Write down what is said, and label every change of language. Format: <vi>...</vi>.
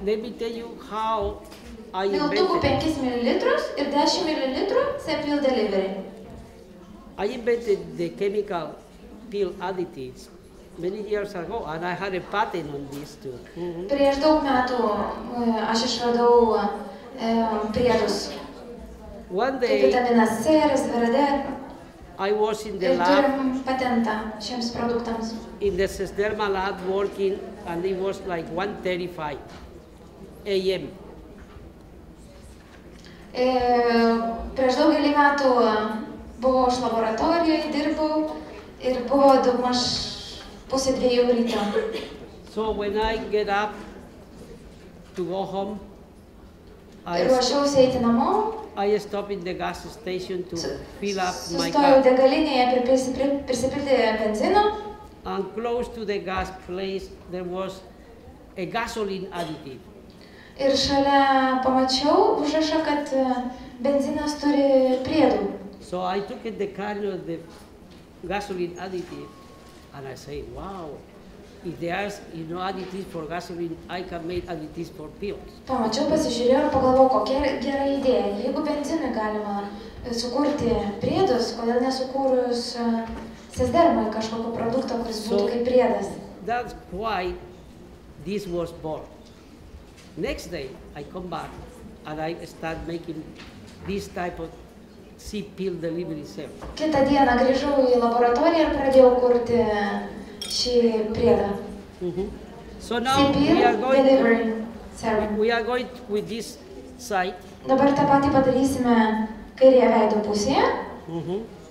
<en>Let me tell you how I invented it.</en> <lt>Miltukų 5 ml ir 10 ml C-pill delivery.</lt> <en>I invented the chemical pill additives many years ago and I had a patent on this too. Mm-hmm.</en> <lt>Prieš daug metų aš išradau priedus.</lt> <en>One day,</en> <lt>vitaminas C, resveratrol.</lt> <en>I was in the lab.</en> <lt>Patentą šiems produktams.</lt> <en>In the Sesderma lab working and it was like 1:35. A.M.</en> <lt>Prieš daugelį metų buvo aš laboratorijoje, dirbau ir buvo daugmaž pusė 2 ryto.</lt> <en>So when I get up to go home,</en> <lt>I ruošiausi eiti namo.</lt> <en>I stop in the gas station to fill up my car.</en> <lt>Sustojau degalinėje prisipilti benzino.</lt> <en>And close to the gas place there was a gasoline additive.</en> <lt>Ir šalia pamačiau užrašą, kad benzinas turi priedų.</lt> <en>So I took it the car of the gasoline additive and I say, wow, if there's you know additives for gasoline, I can make additives for pills.</en> <lt>Pamačiau, pasižiūrėjau ir pagalvojau, kokia gera idėja. Jeigu benzinui galima sukurti priedus, kodėl nesukūrus Sesdermoje kažkokio produkto, kuris</lt> <en>so</en> <lt>būtų kaip priedas.</lt> <en>That's why this was born. Next day, I come back and I start making this type of C-pill delivery cell. Kitą dieną grįžau į laboratoriją ir pradėjau kurti šį priedą. So now C-pill delivery serum. We are going with this side.</en> <lt>Dabar tą patį padarysime kairėje veido pusėje.</lt>